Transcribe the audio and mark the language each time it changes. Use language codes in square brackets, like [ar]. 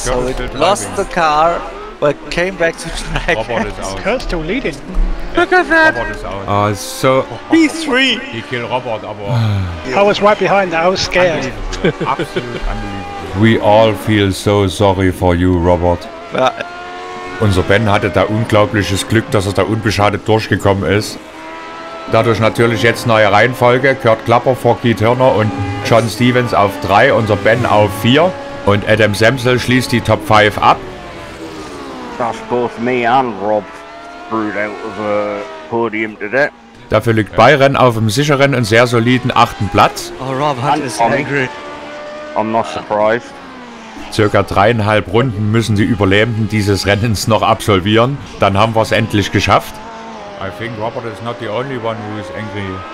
[en] So he lost the car, but came back to track. Kurt's still leading. Look at that! Oh, so... P3! He killed Robert, but... I was right behind that, I was scared. Absolutely unbelievable. We all feel so sorry for you, Robert. [de] Unser Ben hatte da unglaubliches Glück, dass er da unbeschadet durchgekommen ist. Dadurch natürlich jetzt neue Reihenfolge. Kurt Klapper vor Keith Hirner und John Stevens auf 3, unser Ben auf 4. Und Adam Semsel schließt die Top 5 ab. [en] That's both me and Rob screwed out of the podium today. [de] Dafür liegt Bayern auf dem sicheren und sehr soliden 8. Platz. Oh, Rob hat es angry. [en] I'm not surprised. [de] Circa 3,5 Runden müssen die Überlebenden dieses Rennens noch absolvieren. Dann haben wir es endlich geschafft. [en] I think Robert is not the only one who is angry.